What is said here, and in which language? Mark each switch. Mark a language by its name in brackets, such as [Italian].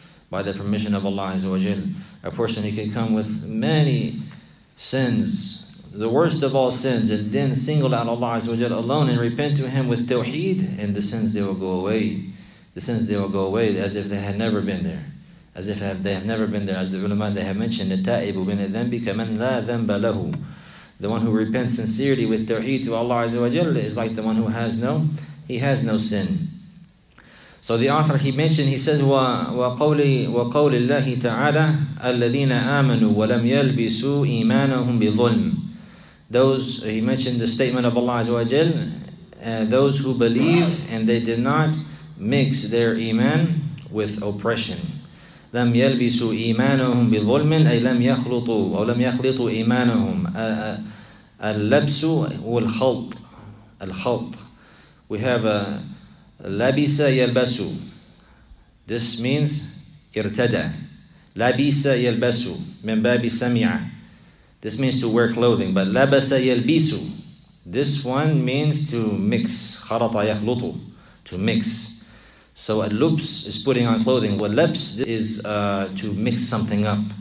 [English] By the permission of Allah Azza wa Jal. A person, he can come with many sins, the worst of all sins, and then single out Allah Azza wa Jal alone and repent to Him with tawheed, and the sins, they will go away. The sins, they will go away as if they had never been there. As if they have never been there. As the ulama, they have mentioned, [Arabic] التَّائِبُ مِنَ الذَّنْبِ كَمَنْ لَا ذَنْبَ لَهُ. [English] The one who repents sincerely with tawheed to Allah Azza wa Jal is like the one who has no, he has no sin. So the author, he mentioned, he says, [Arabic] وَقَوْلِ اللَّهِ تَعَالَى أَلَّذِينَ آمَنُوا وَلَمْ يَلْبِسُوا إِيمَانَهُمْ بِظُلْمِ. [English] Those, he mentioned the statement of Allah Azza wa Jal, those who believe and they did not mix their iman with oppression. [Arabic] لَمْ يَلْبِسُوا إِيمَانَهُمْ بِظُلْمٍ أَيْ لَمْ يَخْلُطُوا أَوْ لَمْ يَخْلِطُوا إِيمَانَهُمْ. اللَّبْسُ وَالْخَلْطُ. الْخَلْطُ. [English] We have [Arabic] لَبِسَ يَلْبَسُ. [English] This means إِرْتَدَى. [Arabic] لَبِسَ يَلْبَسُ مِنْ بَابِ سَمِعَ. [English] This means to wear clothing. But لَبَسَ يَلْبِسُ, this one means to mix. [Arabic] خَرَطَ يَخْلُطُ. [English] To mix. So al-lubs is putting on clothing. Wal-labs is to mix something up.